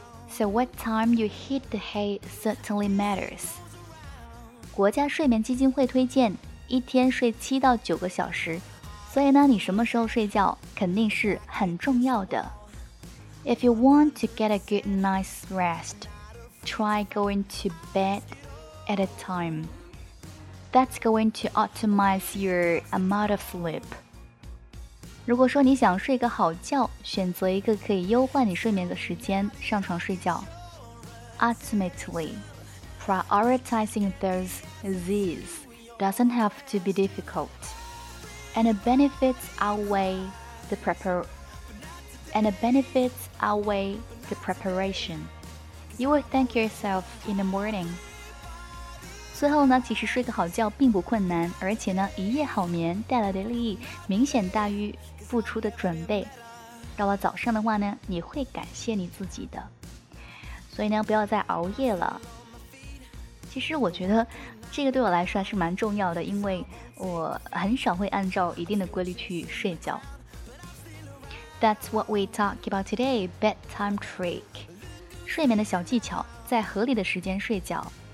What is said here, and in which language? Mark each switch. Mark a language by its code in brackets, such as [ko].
[en] So what time you hit the hay certainly matters. [zh] 国家睡眠基金会推荐一天睡七到九个小时，所以呢，你什么时候睡觉肯定是很重要的。 [en] If you want to get a good night's rest, try going to bed at a time. That's going to optimize your amount of sleep. [zh] 如果说你想睡个好觉，选择一个可以优化你睡眠的时间上床睡觉。 [en] Ultimately, prioritizing those diseases. Doesn't have to be difficult, and the benefits outweigh the preparation. You will thank yourself in the morning. [zh] 最后呢，其实睡个好觉并不困难，而且呢，一夜好眠带来的利益明显大于付出的准备。到了早上的话呢，你会感谢你自己的。所以呢，不要再熬夜了。其实我觉得这个对我来说还是蛮重要的，因为我很少会按照一定的规律去睡觉。 [en] That's what we talk about today, bedtime trick. [zh] 睡眠的小技巧，在合理的时间睡觉。